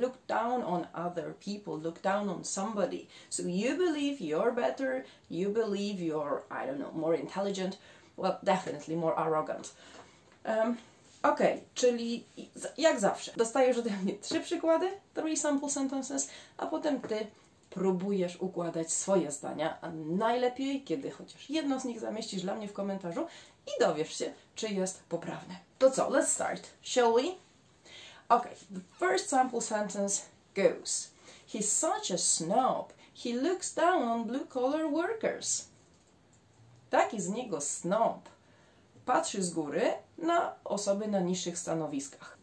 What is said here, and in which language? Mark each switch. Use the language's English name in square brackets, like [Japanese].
[English] Look down on other people, look down on somebody. So you believe you're better, you believe you're, I don't know, more intelligent, well, definitely more arrogant. [Polish] Okej, czyli jak zawsze, dostajesz ode mnie trzy przykłady, [English] three sample sentences, [Polish] a potem ty próbujesz układać swoje zdania, a najlepiej, kiedy chociaż jedno z nich zamieścisz dla mnie w komentarzu i dowiesz się, czy jest poprawne. To co, [English] let's start, shall we? Okay, the first sample sentence goes: he's such a snob, he looks down on blue-collar workers. [Polish] Taki z niego snob. Patrzy z góry na osoby na niższych stanowiskach.